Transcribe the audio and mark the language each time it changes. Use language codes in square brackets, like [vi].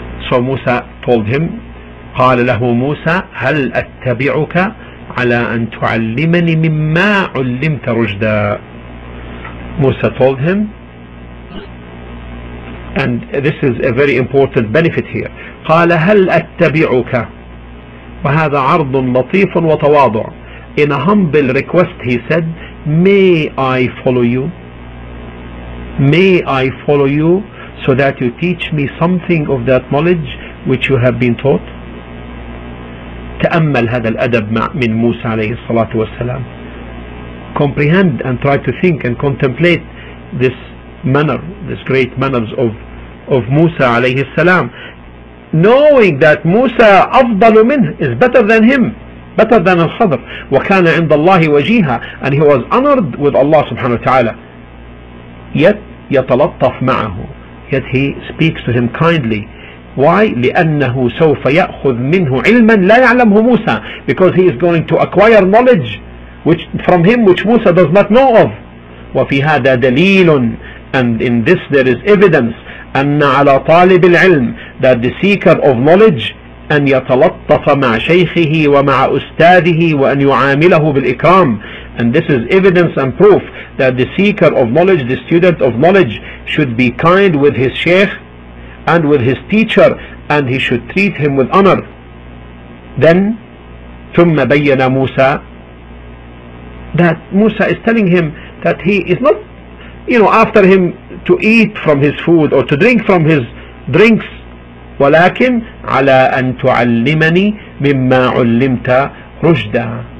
[en] So Musa told him, [ar] قال له موسى هل أتبعك على أن تعلمني مما علمت رجدا. [en] Musa told him, and this is a very important benefit here. [ar] قال هل أتبعك, وهذا عرض لطيف وتواضع. [en] In a humble request he said, may I follow you, may I follow you so that you teach me something of that knowledge which you have been taught. [ar] تأمل هذا الأدب من موسى عليه الصلاة والسلام. [en] Comprehend and try to think and contemplate this manner, this great manners of Musa alayhi salam, knowing that Musa [ar] أفضل منه, [en] is better than him, better than Al-Khidr. [ar] وكان عند الله وجيها, [en] and he was honored with Allah subhanahu wa ta'ala. Yet [ar] يتلطف معه, [en] yet he speaks to him kindly, Why? [ar] لأنه سوف يأخذ منه علما لا يعلمه موسى. [en] Because he is going to acquire knowledge which from him which موسى does not know of. [ar] وفي هذا دليل. [en] And in this there is evidence [ar] أن على طالب العلم [en] that the seeker of knowledge [ar] أن يتلطف مع شيخه ومع أستاذه وأن يعامله بالإكرام. [en] And this is evidence and proof that the seeker of knowledge, the student of knowledge should be kind with his sheikh and with his teacher and he should treat him with honor. Then [ar] ثم بين موسى [en] that موسى is telling him that he is not, you know, after him to eat from his food or to drink from his drinks, [ar] ولكن على أن تعلمني مما علمت رشدا.